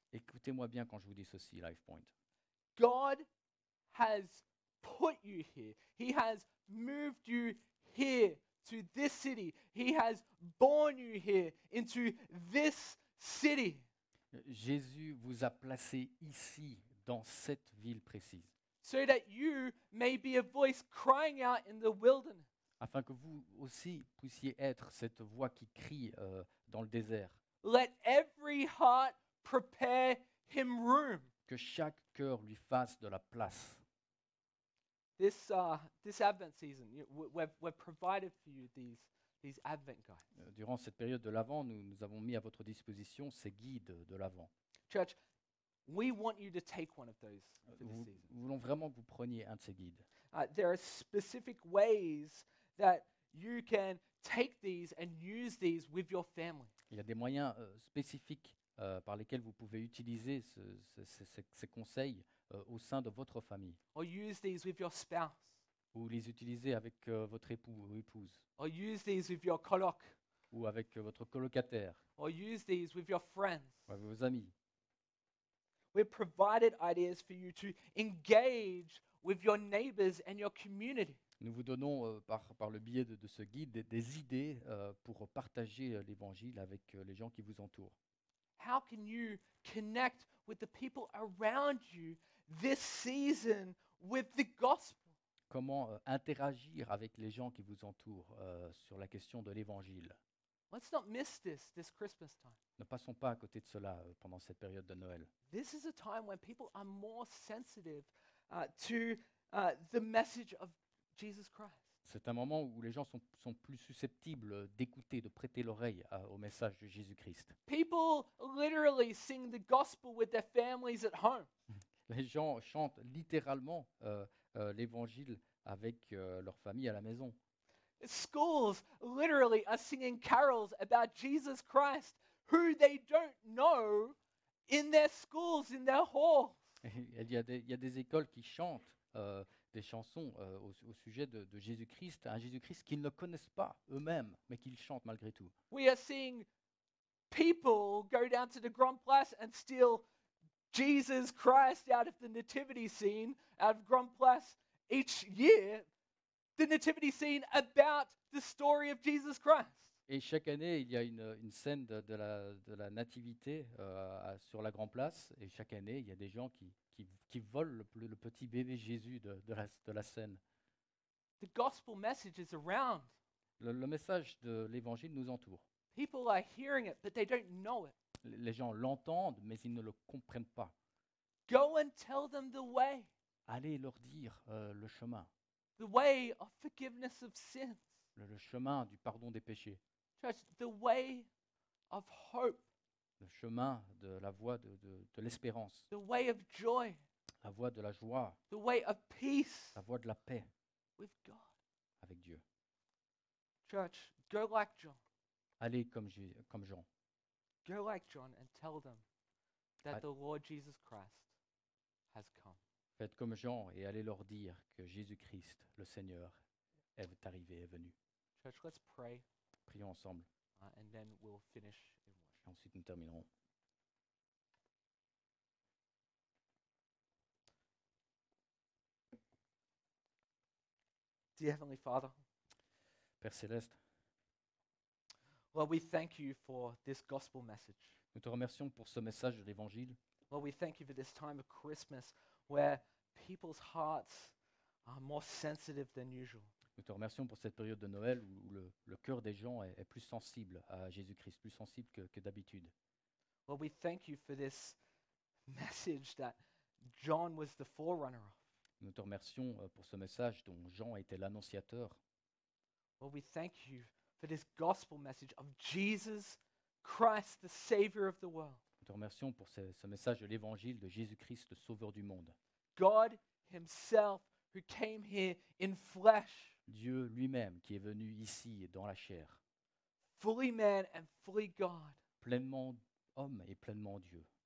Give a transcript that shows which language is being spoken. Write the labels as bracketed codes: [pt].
[fr] Écoutez-moi bien quand je vous dis ceci, LifePoint. [en] God has put you here. He has moved you here to this city. He has born you here into this city. [fr] Jésus vous a placé ici dans cette ville précise. [en] So that you may be a voice crying out in the wilderness. [fr] Afin que vous aussi puissiez être cette voix qui crie dans le désert. [en] Let every heart prepare him room. [fr] Que chaque cœur lui fasse de la place. [en] This Advent season, we've provided for you these Advent guides. [fr] Durant cette période de l'Avent, nous avons mis à votre disposition ces guides de l'Avent. [en] Church, we want you to take one of those for this season. [fr] Nous voulons vraiment que vous preniez un de ces guides. [en] There are specific ways that you can take these and use these with your family. [fr] Il y a des moyens spécifiques par lesquels vous pouvez utiliser ces conseils au sein de votre famille. [en] Or use these with your spouse. [fr] Ou les utiliser avec votre époux ou épouse. [en] Or use these with your coloc. [fr] Ou avec votre colocataire. [en] Or use these with your friends. [fr] Ou avec vos amis. [en] We provided ideas for you to engage with your neighbors and your community. [fr] Nous vous donnons par le biais de ce guide des idées pour partager l'évangile avec les gens qui vous entourent. [en] How can you connect with the people around you this season with the gospel? [fr] Comment interagir avec les gens qui vous entourent sur la question de l'évangile? [en] Let's not miss this Christmas time. [fr] Ne passons pas à côté de cela pendant cette période de Noël. [en] This is a time when people are more sensitive to the message of Jesus Christ. [fr] C'est un moment où les gens sont plus susceptibles d'écouter, de prêter l'oreille au message de Jésus-Christ. [en] People literally sing the gospel with their families at home. [fr] Les gens chantent littéralement l'évangile avec leur famille à la maison. [en] Schools literally are singing carols about Jesus Christ, who they don't know, in their schools, in their halls. [fr] Il y a des écoles qui chantent des chansons au sujet de Jésus-Christ, un Jésus-Christ qu'ils ne connaissent pas eux-mêmes, mais qu'ils chantent malgré tout. [en] We are seeing people go down to the Grand Place and steal Jesus Christ out of the nativity scene out of Grand Place each year the nativity scene about the story of Jesus Christ. [fr] Et chaque année, il y a une scène de la nativité sur la Grand Place. Et chaque année, il y a des gens qui volent le petit bébé Jésus de la scène. [en] The gospel message is around. [fr] Le message de l'évangile nous entoure. [en] People are hearing it, but they don't know it. [fr] Les gens l'entendent, mais ils ne le comprennent pas. [en] Go and tell them the way. [fr] Allez leur dire le chemin. [en] The way of forgiveness of sins. [fr] Le chemin du pardon des péchés. [en] Church, the way of hope. [fr] Le chemin de la voie de l'espérance. [en] The way of joy. [fr] La voie de la joie. [en] The way of peace. [fr] La voie de la paix. [en] With God. [fr] Avec Dieu. [en] Church, go like John. [fr] Allez comme Jean. [en] Go like John and tell them that the Lord Jesus Christ has come. [fr] Faites comme Jean et allez leur dire que Jésus-Christ, le Seigneur, est arrivé, est venu. [en] Church, let's pray. [fr] Prions ensemble. [en] And then we'll finish in worship. [fr] Et ensuite, nous terminerons. [en] Dear Heavenly Father, [fr] Père Céleste, [en] Lord, we thank you for this gospel message. [fr] Nous te remercions pour ce message de l'Évangile. [en] Lord, we thank you for this time of Christmas where people's hearts are more sensitive than usual. [fr] Nous te remercions pour cette période de Noël où le cœur des gens est plus sensible à Jésus-Christ, plus sensible que d'habitude. [en] Lord, we thank you for this message that John was the forerunner of. [fr] Nous te remercions pour ce message dont Jean était l'annonciateur. [en] Lord, we thank you for this gospel message of Jesus Christ, the Savior of the world. [fr] Nous te remercions pour ce message de l'Évangile de Jésus-Christ, le Sauveur du monde. [en] God himself who came here in flesh. [fr] Dieu lui-même qui est venu ici dans la chair. [en] Fully man and fully God. [fr] Pleinement homme et pleinement Dieu.